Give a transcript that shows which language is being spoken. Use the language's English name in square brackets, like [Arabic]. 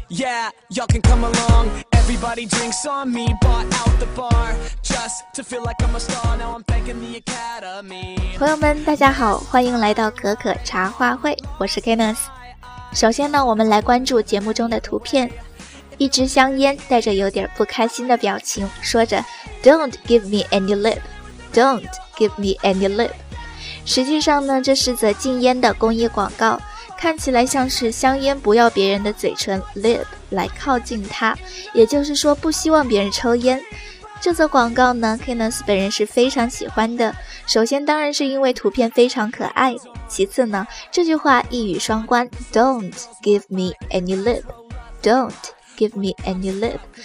[English] Yeah, y'all can come along. Everybody drinks on me, bought out the bar just to feel like I'm a star. Now I'm thanking the academy. [Chinese] 朋友们大家好，欢迎来到可可茶话会，我是 Kenneth。首先呢，我们来关注节目中的图片。一支香烟带着有点不开心的表情，说着 [English] Don't give me any lip, [Chinese] Don't give me any lip。实际上呢，这是则禁烟的公益广告，看起来像是香烟不要别人的嘴唇 lip 来靠近它，也就是说不希望别人抽烟。这则广告呢， Kenneth 本人是非常喜欢的，首先当然是因为图片非常可爱，其次呢，这句话一语双关， [English] Don't give me any lip, [Chinese] Don'tGive me any lip。